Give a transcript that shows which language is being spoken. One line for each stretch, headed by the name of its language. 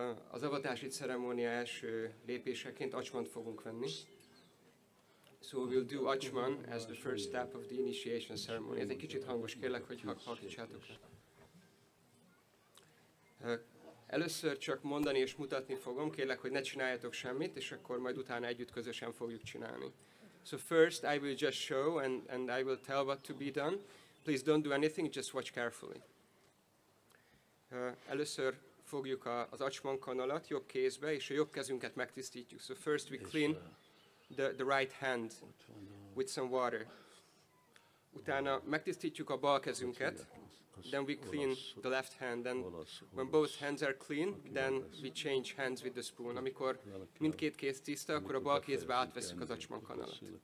Hungarian: Az avatási ceremónia első lépéseként acsmant fogunk venni.
English: So we'll do acsman as the first step of the initiation ceremony.
Hungarian: Ez egy kicsit hangos, kérlek, hogy hallgassátok le. Először csak mondani és mutatni fogom, kérlek, hogy ne csináljatok semmit, és akkor majd utána együtt közösen fogjuk csinálni.
English: So first I will just show and I will tell what to be done. Please don't do anything, just watch carefully.
Hungarian: Először fogjuk az acsman kanalat jobb kézbe, és a jobb kezünket megtisztítjuk.
English: So first we clean the right hand with some water.
Hungarian: Utána megtisztítjuk a bal kezünket,
English: then we clean the left hand. And when both hands are clean, then we change hands with the spoon.
Hungarian: Amikor mindkét kéz tiszta, akkor a bal kézbe átveszünk az acsman kanalat.